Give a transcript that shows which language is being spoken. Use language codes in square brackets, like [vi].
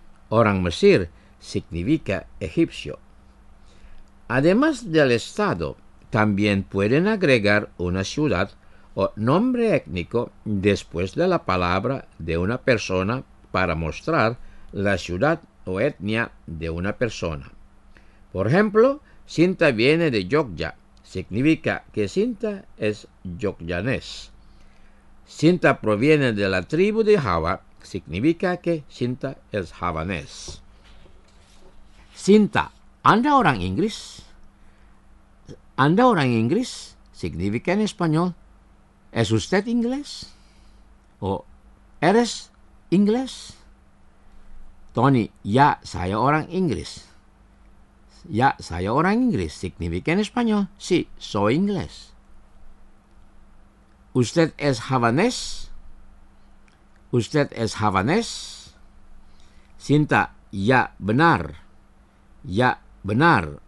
[id] Orang Mesir [es] significa egipcio. Además del estado, también pueden agregar una ciudad o nombre étnico después de la palabra de una persona para mostrar la ciudad o etnia de una persona. Por ejemplo, Cinta viene de Jogja, significa que Cinta es jogjanés. Cinta proviene de la tribu de Java, significa que Cinta es javanés. [id] Cinta, ¿anda orang Inggris? ¿Anda orang Inggris? [es] Significa en español, ¿es usted inglés? ¿O eres inglés? [id] Tony, ya, saya orang Inggris. Ya, saya orang Inggris. [es] Significa en español, sí, soy inglés. ¿Usted es javanés? ¿Usted es javanés? [id] Cinta, ya, benar. Ya, benar.